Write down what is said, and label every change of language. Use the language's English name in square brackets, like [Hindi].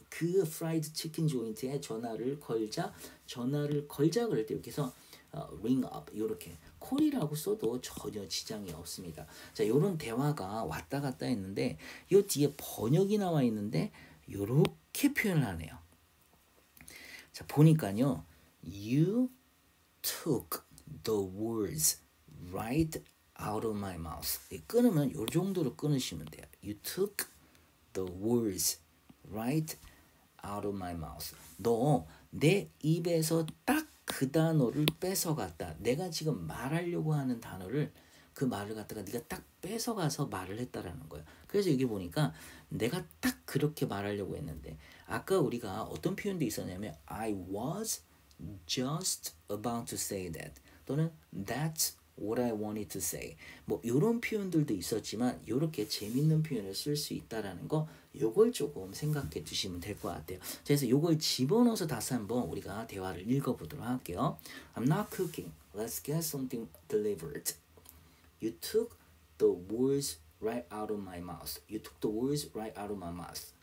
[Korean] 그 fried chicken joint에 전화를 걸자. 전화를 걸자 그럴 때 이렇게 해서 ring up 이렇게 콜이라고 써도 전혀 지장이 없습니다. 자, 요런 대화가 왔다 갔다 했는데 요 뒤에 번역이 나와 있는데 요렇게 표현을 하네요. 자, 보니까요. [English] You took the words right out of my mouth. [Korean] 끊으면 요 정도로 끊으시면 돼요. [English] You took the words right out of my mouth. [Korean] 너내 입에서 딱그 단어를 뺏어갔다. 내가 지금 말하려고 하는 단어를 그 말을 갖다가 네가 딱 뺏어가서 말을 했다라는 거야. 그래서 여기 보니까 내가 딱 그렇게 말하려고 했는데 아까 우리가 어떤 표현도 있었냐면 [English] I was just about to say that [Korean] 또는 [English] That's what I wanted to say [Korean] 뭐 이런 표현들도 있었지만 이렇게 재밌는 표현을 쓸수 있다라는 거 요걸 조금 생각해 두시면 될것 같아요. 그래서 요걸 집어넣어서 다시 한번 우리가 대화를 읽어보도록 할게요. [English] I'm not cooking. Let's get something delivered. You took the words right out of my mouth. You took the words right out of my mouth.